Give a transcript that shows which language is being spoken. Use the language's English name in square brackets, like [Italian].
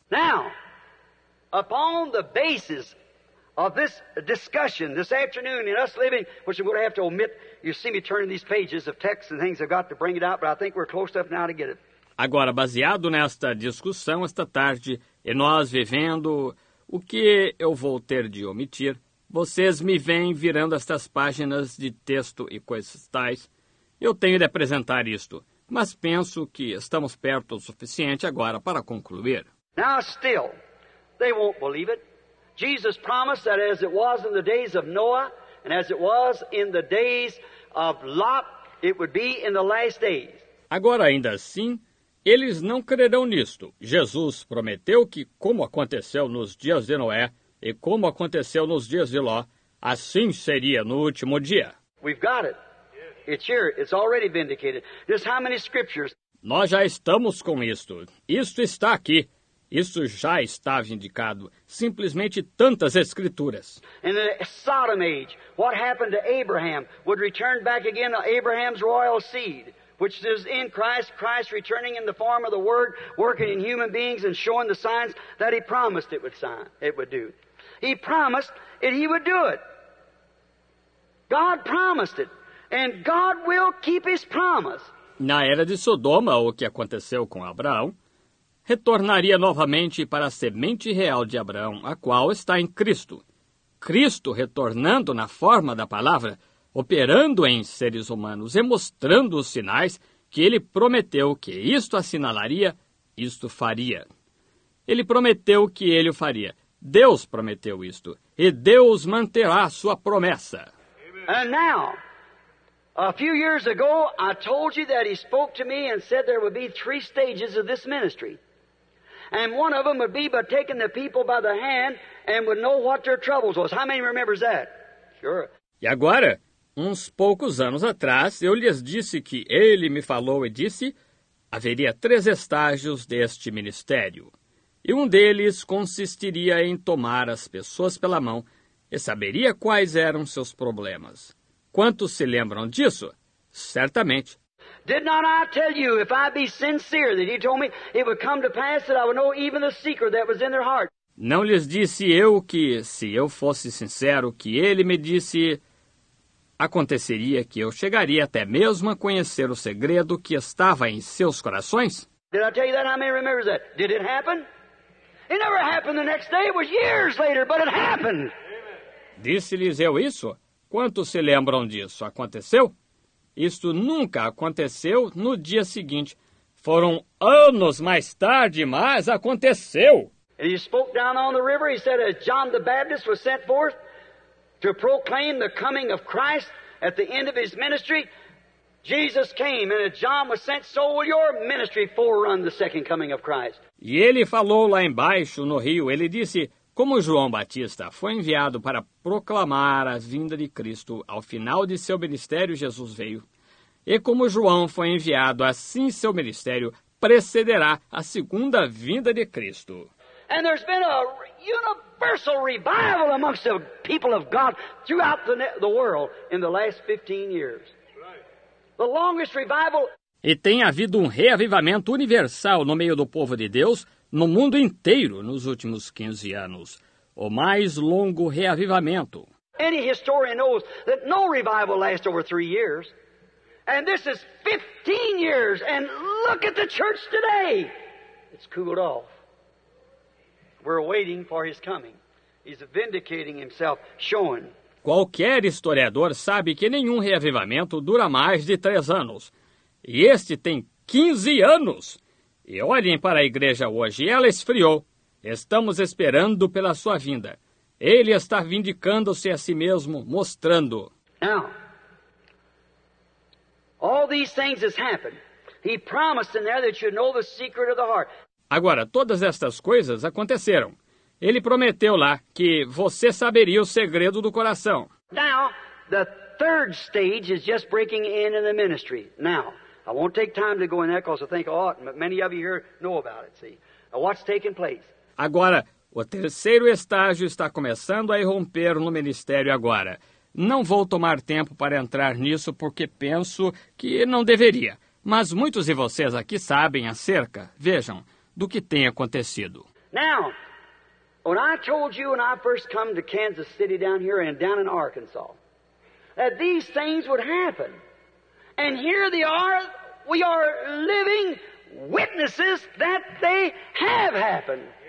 [English] Now, upon the basis of this discussion this afternoon in us living, which I'm going to have to omit, you see me turning these pages of texts and things, I've got to bring it out, but I think we're close enough now to get it. [Portuguese] Agora, baseado nesta discussão esta tarde e nós vivendo, o que eu vou ter de omitir? Vocês me vêm virando estas páginas de texto e coisas tais. Eu tenho de apresentar isto, mas penso que estamos perto o suficiente agora para concluir. [English] Now still, they won't believe it. Jesus promised that as it was in the days of Noah, and as it was in the days of Lot, It would be in the last days. [Portuguese] Agora, ainda assim, eles não crerão nisto. Jesus prometeu que, como aconteceu nos dias de Noé e como aconteceu nos dias de Ló, assim seria no último dia. [English] We've got it. It's here. It's already vindicated. Just how many scriptures? [Portuguese] Nós já estamos com isto. Isto está aqui. Isso já está vindicado. Simplesmente tantas escrituras. [English] In the Sodom age, what happened to Abraham would return back again to Abraham's royal seed, which is in Christ, Christ returning in the form of the Word, working in human beings and showing the signs that he promised it would do. He promised that he would do it. God promised it. And God will keep his promise. [Portuguese] Na era de Sodoma, o que aconteceu com Abraão, retornaria novamente para a semente real de Abraão, a qual está em Cristo. Cristo retornando na forma da palavra, operando em seres humanos e mostrando os sinais que ele prometeu que isto assinalaria, isto faria. Ele prometeu que ele o faria. Deus prometeu isto. E Deus manterá a sua promessa. [English] And now, a few years ago, I told you that he spoke to me and said there would be three stages of this ministry. And one of them would be by taking the people by the hand and would know what their troubles was. How many remembers that? Sure. [Portuguese] E agora, uns poucos anos atrás, eu lhes disse que ele me falou e disse haveria três estágios deste ministério. E um deles consistiria em tomar as pessoas pela mão e saberia quais eram seus problemas. Quantos se lembram disso? Certamente. [English] Did not I tell you, if I be sincere, that he told me it would come to pass that I would know even the secret that was in their heart? [Portuguese] Não lhes disse eu que, se eu fosse sincero, que ele me disse, aconteceria que eu chegaria até mesmo a conhecer o segredo que estava em seus corações? [English] Did I tell you that? How many remembers that? Did it happen? It never happened the next day. It was years later, but it happened. [Portuguese] Disse-lhes eu isso? Quantos se lembram disso? Aconteceu? Isto nunca aconteceu no dia seguinte. Foram anos mais tarde, mas aconteceu. [English] And he spoke down on the river. He said, as John the Baptist was sent forth to proclaim the coming of Christ at the end of his ministry, Jesus came, and as John was sent, so will your ministry forerun the second coming of Christ. [Portuguese] E ele falou lá embaixo no rio, ele disse, como João Batista foi enviado para proclamar a vinda de Cristo, ao final de seu ministério Jesus veio. E como João foi enviado, assim seu ministério precederá a segunda vinda de Cristo. [English] And there's been a universal revival amongst the people of God throughout the world in the last 15 years. The longest revival. [Portuguese] E tem havido um reavivamento universal no meio do povo de Deus, no mundo inteiro, nos últimos 15 anos. O mais longo reavivamento. [English] Any historian knows that no revival lasts over 3 years. And this is 15 years. And look at the church today. It's cooled off. We're waiting for his coming. He's vindicating himself, showing. [Portuguese] Qualquer historiador sabe que nenhum reavivamento dura mais de 3 anos. E este tem 15 anos. E olhem para a igreja hoje, ela esfriou. Estamos esperando pela sua vinda. Ele está vindicando-se a si mesmo, mostrando. [English] Now, all these things has happened. He promised in there that you know the secret of the heart. [Portuguese] Agora, todas estas coisas aconteceram. Ele prometeu lá que você saberia o segredo do coração. [English] Now, the third stage is just breaking in the ministry. Now, I won't take time to go in there because I think many of you here know about it, see. What's taking place? [Portuguese] Agora, o terceiro estágio está começando a irromper no ministério agora. Não vou tomar tempo para entrar nisso porque penso que não deveria. Mas muitos de vocês aqui sabem acerca, vejam, do que tem acontecido. [English] Now, when I told you when I first come to Kansas City down here and down in Arkansas, that these things would happen. And here they are, we are living witnesses that they have happened.